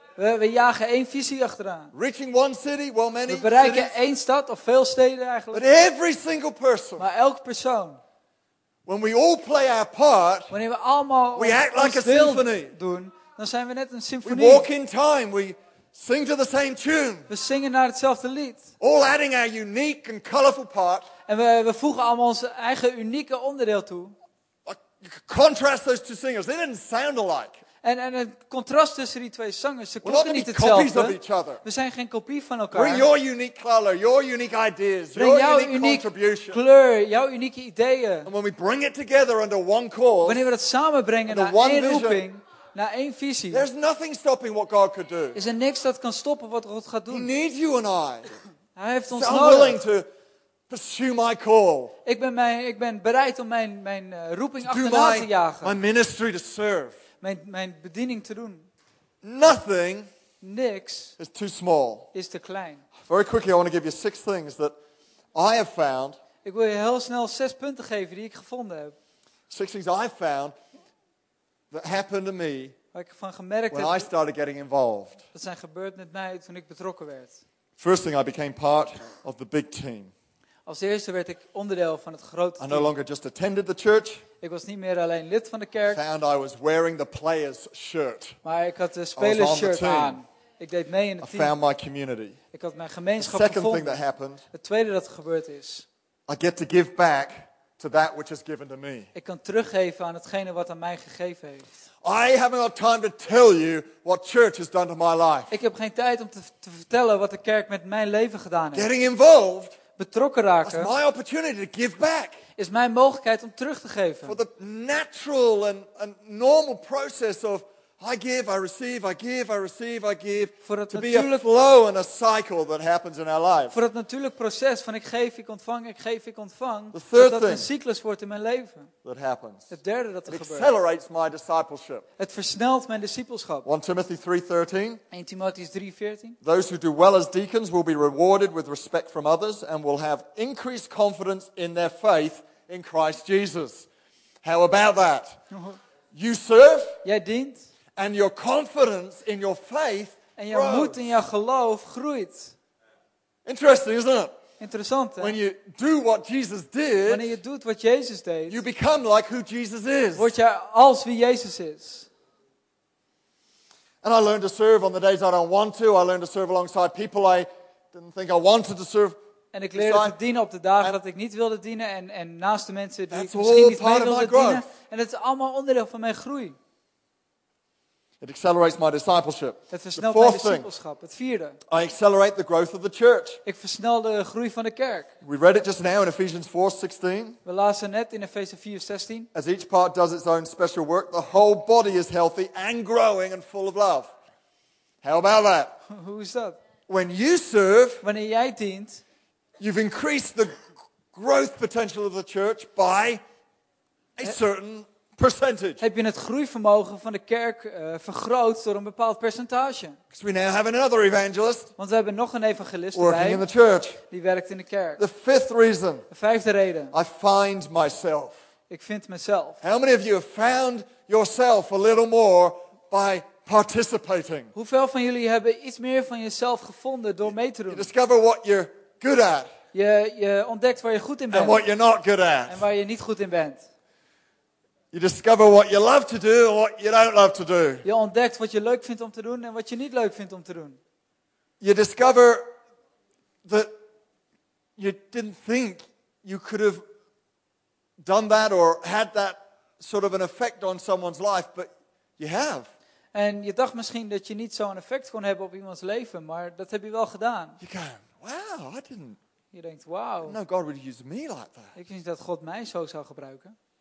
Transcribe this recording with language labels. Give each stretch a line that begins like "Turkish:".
Dutch: We jagen één visie achteraan.
English: Reaching one city, well many.
Dutch: We bereiken
English: cities.
Dutch: Één stad of veel steden eigenlijk.
English: But every single person.
Dutch: Maar elk persoon.
English: When we all play our part,
Dutch: wanneer we allemaal
English: we act like a symphony.
Dutch: Doen, dan zijn we net een symfonie.
English: We walk in time, we sing to the same tune.
Dutch: We zingen naar hetzelfde lied.
English: All adding our unique and colorful part.
Dutch: En we voegen allemaal ons eigen unieke onderdeel toe.
English: Contrast those two singers, they didn't sound alike.
Dutch: En het contrast tussen die twee zangers, ze klonken niet hetzelfde. We zijn geen kopie van elkaar.
English: Bring your unique color, your unique ideas, your unique contribution.
Dutch: Kleur, jouw unieke ideeën.
English: And when we bring it together under one cause,
Dutch: wanneer we dat samenbrengen naar één roeping, naar één visie.
English: There's nothing stopping what God could do.
Dutch: Is er niks dat kan stoppen wat God gaat doen?
English: He needs you and I.
Dutch: Hij heeft ons so nodig.
English: I'm willing to pursue my call.
Dutch: Ik ben bereid om mijn roeping achterna te jagen.
English: My ministry to serve.
Dutch: Mijn bediening te doen.
English: Nothing.
Dutch: Niks.
English: Is too small.
Dutch: Is te klein.
English: Very quickly, I want to give you 6 things that I have found.
Dutch: Ik wil je heel snel 6 punten geven die ik gevonden heb.
English: 6 things I found that happened to me.
Dutch: Wat ik van gemerkt
English: when
Dutch: heb.
English: When I started getting involved.
Dutch: Dat zijn gebeurd met mij toen ik betrokken werd.
English: First thing, I became part of the big team.
Dutch: Als eerste werd ik onderdeel van het grote team.
English: I no longer just attended the church.
Dutch: Ik was niet meer alleen lid van de kerk.
English: Found I was wearing the player's shirt.
Dutch: Maar ik had de spelers shirt aan. Ik deed mee in het team.
English: I found my community.
Dutch: Ik had mijn gemeenschap gevonden.
English: Second thing that happened.
Dutch: Het tweede dat gebeurd is.
English: I get to give back to that which is given to me.
Dutch: Ik kan teruggeven aan hetgene wat aan mij gegeven heeft.
English: I haven't got time to tell you what church has done to my life.
Dutch: Ik heb geen tijd om te vertellen wat de kerk met mijn leven gedaan heeft.
English: Getting involved.
Dutch: Betrokken raken.
English: That's my opportunity to give back.
Dutch: Is mijn mogelijkheid om terug te geven.
English: For the natural and normal process of I give, I receive, I give, I receive, I give.
Dutch: Voor het
English: to be a flow and a cycle that happens in our life.
Dutch: Voor het natuurlijk proces van ik geef, ik ontvang, ik geef, ik ontvang.
English: The third
Dutch: dat
English: thing
Dutch: een cyclus wordt in mijn leven.
English: That happens.
Dutch: Het derde dat er
English: it
Dutch: gebeurt.
English: Accelerates my discipleship.
Dutch: Het versnelt mijn discipelschap.
English: 1 Timothy 3:13.
Dutch: 1 Timotheus 3:14.
English: Those who do well as deacons will be rewarded with respect from others and will have increased confidence in their faith in Christ Jesus. How about that? You serve?
Dutch: Jij dient.
English: And your confidence in your faith
Dutch: en jouw moed in jouw geloof groeit.
English: Interesting, isn't it?
Dutch: Interessant, hè?
English: When you do what Jesus did,
Dutch: wanneer je doet wat Jezus deed,
English: you become like who Jesus is.
Dutch: Word jij als wie Jezus is.
English: And I learned to serve on the days I don't want to. I learned to serve alongside people I didn't think I wanted to serve.
Dutch: En ik leerde te dienen op de dagen dat ik niet wilde dienen en naast de mensen die ik misschien niet mee wilde dienen. En dat is allemaal onderdeel van mijn groei.
English: It accelerates my discipleship.
Dutch: Het versnelt mijn discipelschap. Het vierde.
English: I accelerate the growth of the church.
Dutch: Ik versnel de groei van de kerk.
English: We read it just now in Ephesians 4:16.
Dutch: We lazen net in Efeze 4:16.
English: As each part does its own special work, the whole body is healthy and growing and full of love. How about that?
Dutch: Hoe is dat?
English: When you serve,
Dutch: wanneer jij dient,
English: you've increased the growth potential of the church by a certain percentage.
Dutch: Heb je het groeivermogen van de kerk vergroot door een bepaald percentage?
English: Because we now have another evangelist.
Dutch: Want we hebben nog een evangelist
English: working in the church.
Dutch: Die werkt in de kerk.
English: The fifth reason.
Dutch: De vijfde reden.
English: I find myself.
Dutch: Ik vind mezelf.
English: How many of you have found yourself a little more by participating?
Dutch: Hoeveel van jullie hebben iets meer van jezelf gevonden door mee te doen?
English: You discover what you're good at.
Dutch: Je ontdekt waar je goed in bent.
English: And what you're not good at.
Dutch: En waar je niet goed in bent.
English: You discover what you love to do or what you don't love to do.
Dutch: Je ontdekt wat je leuk vindt om te doen en wat je niet leuk vindt om te doen.
English: You discover that you didn't think you could have done that or had that sort of an effect on someone's life, but you have.
Dutch: En je dacht misschien dat je niet zo'n effect kon hebben op iemands leven, maar dat heb je wel gedaan.
English: You go, wow, I didn't.
Dutch: Je denkt, wow.
English: No, God would use me like that.
Dutch: Ik wist niet dat God mij zo zou gebruiken.